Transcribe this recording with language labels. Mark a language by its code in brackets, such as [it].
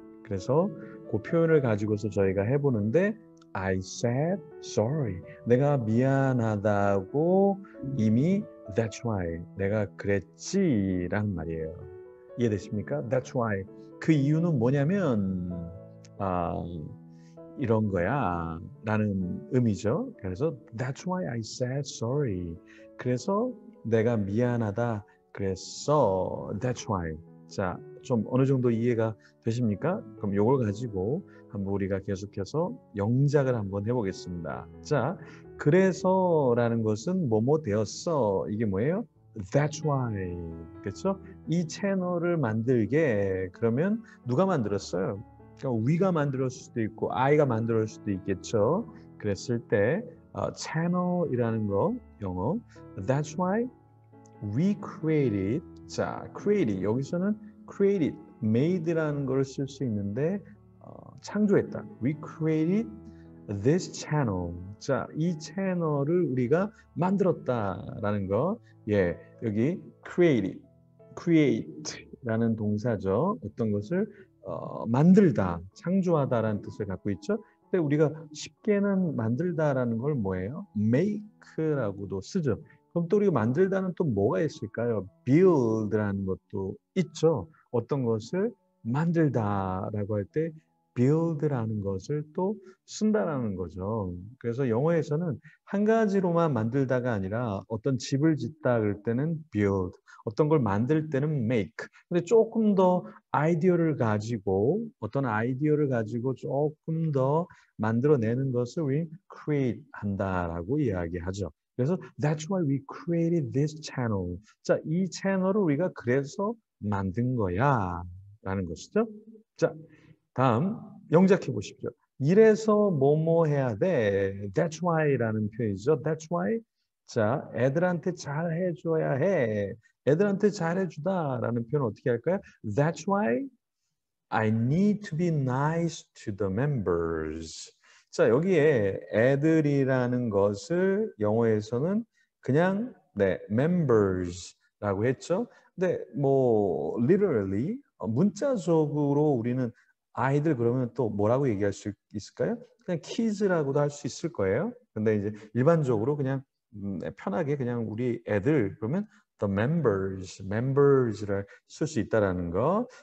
[ko] 그래서 그 표현을 가지고서 저희가 해보는데 [en] I said sorry. [ko] 내가 미안하다고 이미 [en] That's why. [ko] 내가 그랬지 라는 말이에요. 이해되십니까? [en] That's why. [ko] 그 이유는 뭐냐면 아, 이런 거야 라는 의미죠. [en] 그래서 That's why I said sorry. [ko] 그래서 내가 미안하다 그래서 [en] That's why. [ko] 자, 좀 어느 정도 이해가 되십니까? 그럼 요걸 가지고 한번 우리가 계속해서 영작을 한번 해보겠습니다. 자, 그래서라는 것은 뭐뭐 되었어. 이게 뭐예요? [en] That's why. [ko] 그렇죠? 이 채널을 만들게. 그러면 누가 만들었어요? 그러니까 we가 만들었을 수도 있고 I가 만들었을 수도 있겠죠. 그랬을 때 채널이라는 거 영어 [en] That's why. [ko] We created, 자, created, 여기서는 created, made라는 걸 쓸 수 있는데 창조했다. [en] We created this channel. [ko] 자, 이 채널을 우리가 만들었다라는 거. 예, 여기 created, create라는 동사죠. 어떤 것을 만들다, 창조하다라는 뜻을 갖고 있죠. 근데 우리가 쉽게는 만들다라는 걸 뭐예요? make라고도 쓰죠. 그럼 또 우리가 만들다는 또 뭐가 있을까요? build라는 것도 있죠. 어떤 것을 만들다라고 할 때 build라는 것을 또 쓴다라는 거죠. 그래서 영어에서는 한 가지로만 만들다가 아니라 어떤 집을 짓다 할 때는 build, 어떤 걸 만들 때는 make. 근데 조금 더 아이디어를 가지고 어떤 아이디어를 가지고 조금 더 만들어내는 것을 우리 create 한다라고 이야기하죠. 그래서 [en] that's why we created this channel. [ko] 자, 이 채널을 우리가 그래서 만든 거야 라는 것이죠. 자, 다음 영작해 보십시오. 이래서 뭐뭐 해야 돼. That's why 라는 표현이죠. [en] That's why. [ko] 자, 애들한테 잘 해줘야 해. 애들한테 잘 해주다 라는 표현 어떻게 할까요? [en] That's why I need to be nice to the members. [ko] 자, 여기에 애들이라는 것을 영어에서는 그냥 네, members라고 했죠. 근데 뭐 literally 문자적으로 우리는 아이들 그러면 또 뭐라고 얘기할 수 있을까요? 그냥 kids라고도 할 수 있을 거예요. 근데 이제 일반적으로 그냥 편하게 그냥 우리 애들 그러면 the members, members를 쓸 수 있다라는 거.